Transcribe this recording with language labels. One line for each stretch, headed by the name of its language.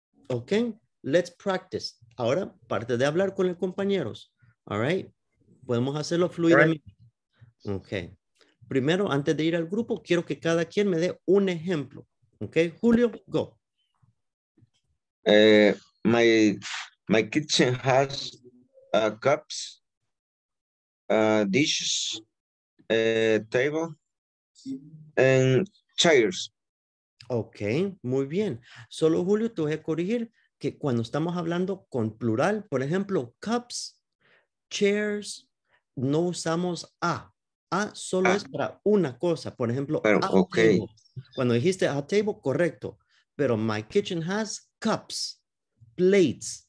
English: Okay, let's practice.
Spanish: Ahora, parte de hablar con los compañeros. All right, podemos hacerlo fluidamente. Right. Okay, primero, antes de ir al grupo, quiero que cada quien me dé un ejemplo.
English: Okay, Julio, go. My kitchen has cups, dishes, table, and chairs.
Spanish: Okay, muy bien. Solo Julio, te voy a corregir que cuando estamos hablando con plural, por ejemplo, cups, chairs, no usamos a. A solo es para una cosa. Por ejemplo, pero, a okay.
English: table.
Spanish: Cuando dijiste
English: a table, correcto. Pero my kitchen has cups, plates.